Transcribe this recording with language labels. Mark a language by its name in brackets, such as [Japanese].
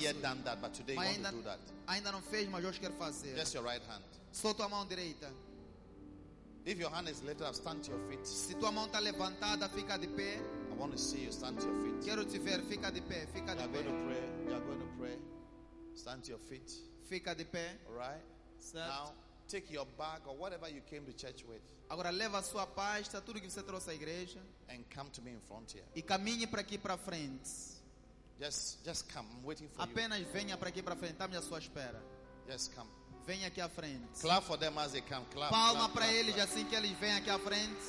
[English] You have not yet done that, but today you want to do that. [Portuguese] Ainda não fez, mas hoje quer fazer. [English] Just your right hand. [Portuguese] Só tua mão direita. [English] If your hand is lifted up, stand to your feet. [Portuguese] Se tua mão está levantada, fica de pé. [English] I want to see you stand to your feet. [Portuguese] Quero te ver, fica de pé, fica de pé. [English] You are going to pray. You are going to pray. Stand to your feet. [Portuguese] Fica de pé. [English] All right. [Portuguese] Certo. [English] Now, take your bag or whatever you came to church with. [Portuguese] Agora leva a sua pasta, tudo que você trouxe à igreja. [English] And come to me in front here. [Portuguese] E caminhe para aqui para frente. [English] Just come, I'm waiting for [Portuguese] apenas [English] you. [Portuguese] Venha para aqui para frente, dá-me a sua espera. [English] Just come. [Portuguese] Venha aqui à frente. [English] Clap for them as they come. Clap. [Portuguese] Palma para eles clap. Assim que eles vêm aqui à frente.